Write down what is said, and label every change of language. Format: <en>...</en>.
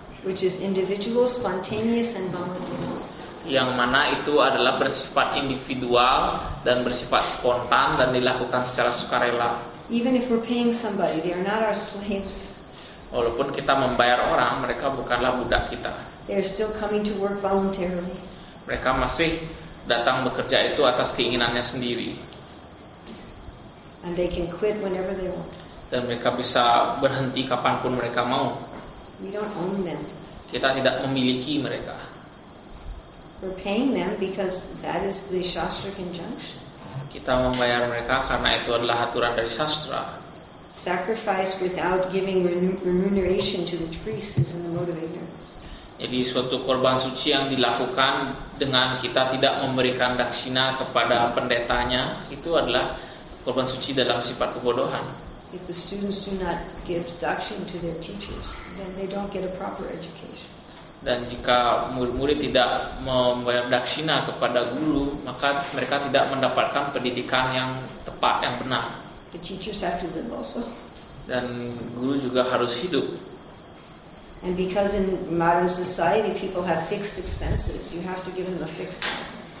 <en>Which is individual, spontaneous, and voluntary.</en> <id>Yang mana itu adalah bersifat individual dan bersifat spontan dan dilakukan secara sukarela.</id> <en>Even if we're paying somebody, they are not our slaves.</en> <id>Walaupun kita membayar orang, mereka bukanlah budak kita.</id> <en>They are still coming to work voluntarily.</en> <id>Mereka masih datang bekerja itu atas keinginannya sendiri.</id> <en>And they can quit whenever they want.</en> <id>Dan mereka bisa berhenti kapanpun mereka mau.</id> <en>We don't own them.</en> <id>Kita tidak memiliki mereka.</id> <en>We're paying them because that is the shastric injunction.</en> <id>Kita membayar mereka karena itu adalah aturan dari sastra.</id> <en>Sacrifice without giving remuneration to the priest is in the mode of ignorance.</en> <id>Jadi suatu korban suci yang dilakukan dengan kita tidak memberikan daksina kepada pendetanya itu adalah korban suci dalam sifat kebodohan.</id> <en>If the students do not give daksina to their teachers, then they don't get a proper education.</en> <id>Dan jika murid-murid tidak membayar daksina kepada guru, maka mereka tidak mendapatkan pendidikan yang tepat, yang benar.</id> <en>The teachers have to live also.</en> <id>Dan guru juga harus hidup.</id> <en>And because in modern society people have fixed expenses, you have to give them a fixed amount.</en>